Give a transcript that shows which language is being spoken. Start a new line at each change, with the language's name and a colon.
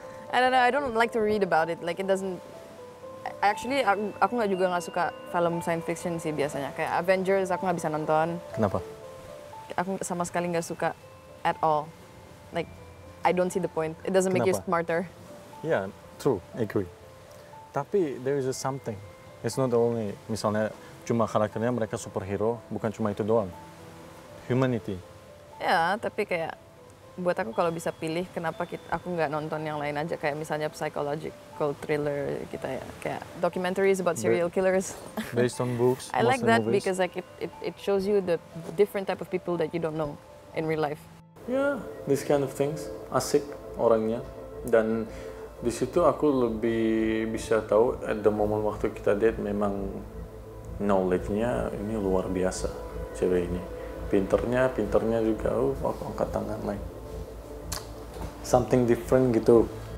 English: I don't know, I don't like to read about it, like it doesn't...
Indonesian: Actually, aku juga nggak suka film science fiction sih biasanya. Kayak Avengers, aku nggak bisa nonton. Kenapa? Aku sama sekali nggak suka
English: at all. Like, I don't see the point. It doesn't make you smarter. Yeah, true. Agree. Tapi there is a something. It's not only,
Indonesian: misalnya, cuma karakternya mereka superhero, bukan cuma itu doang. Humanity. Yeah, tapi kayak, buat aku kalau bisa pilih, kenapa aku nggak nonton yang lain aja. Kayak misalnya psychological thriller kita ya. Kayak
English: documentaries about serial killers. Based on books, I like that movies. Because like it shows you the different type of people that you don't know in real life. Yeah, this kind of things.
Indonesian: Asik orangnya. Dan di situ aku lebih bisa tahu
English: at the moment
Indonesian: waktu kita date memang knowledge-nya ini luar biasa cewek ini. Pinternya juga, aku angkat tangan,
English: like something different
Indonesian: gitu.